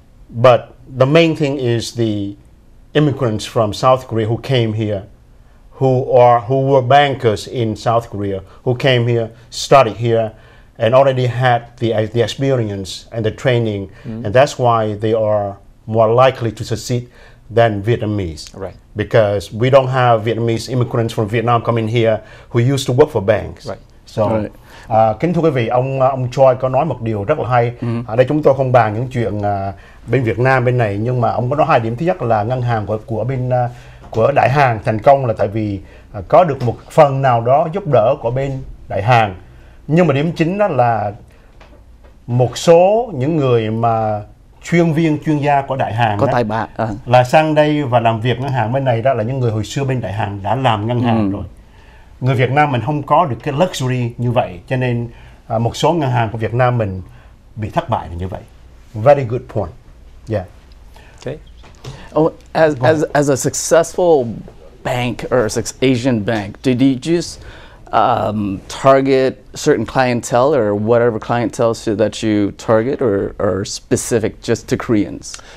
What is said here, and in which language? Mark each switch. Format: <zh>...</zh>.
<en>But the main thing is the immigrants from South Korea who came here, who were bankers in South Korea, who came here, studied here, and already had the experience and the training, and that's why they are more likely to succeed than Vietnamese. Right. Because we don't have Vietnamese immigrants from Vietnam coming here who used to work for banks. Right. So. Right.</en> <vi>Kính thưa quý vị, ông Choi có nói một điều rất là hay. Ở đây chúng tôi không bàn những chuyện bên Việt Nam bên này, nhưng mà ông có nói hai điểm. Thứ nhất là ngân hàng của Đại Hàn thành công là tại vì có được một phần nào đó giúp đỡ của bên Đại Hàn. Nhưng mà điểm chính đó là một số những người mà chuyên viên chuyên gia của Đại Hàn có tài bạc là sang đây và làm việc ngân hàng bên này, đó là những người hồi xưa bên Đại Hàn đã làm ngân hàng rồi. Người Việt Nam mình không có được cái luxury như vậy, cho nên một số ngân hàng của Việt Nam mình bị thất bại như vậy.</vi> <en>Very good point. Yeah. Okay. Oh, as a successful bank or Asian bank, did you just target certain clientele or whatever clientele so that you target or specific just to Koreans?</en>